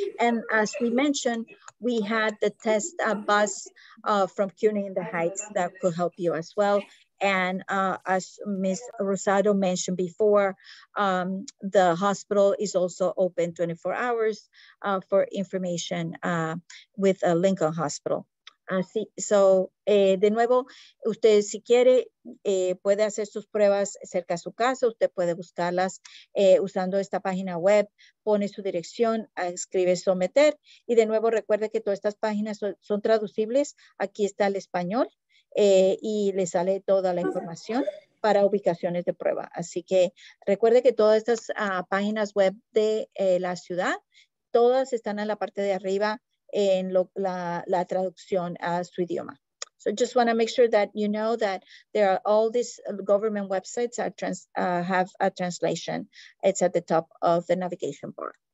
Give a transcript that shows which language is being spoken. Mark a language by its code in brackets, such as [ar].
[en] And as we mentioned, we had the test bus from CUNY in the Heights that could help you as well. And as Ms. Rosado mentioned before, the hospital is also open 24 hours for information with a Lincoln Hospital. [es] Así, so, de nuevo, usted si quiere puede hacer sus pruebas cerca de su casa, usted puede buscarlas usando esta página web, pone su dirección, escribe someter, y de nuevo recuerde que todas estas páginas son traducibles, aquí está el español y le sale toda la información para ubicaciones de prueba. Así que recuerde que todas estas páginas web de la ciudad, todas están en la parte de arriba, en la traducción a su idioma. [en] So just want to make sure that you know that there are all these government websites that have a translation. It's at the top of the navigation bar.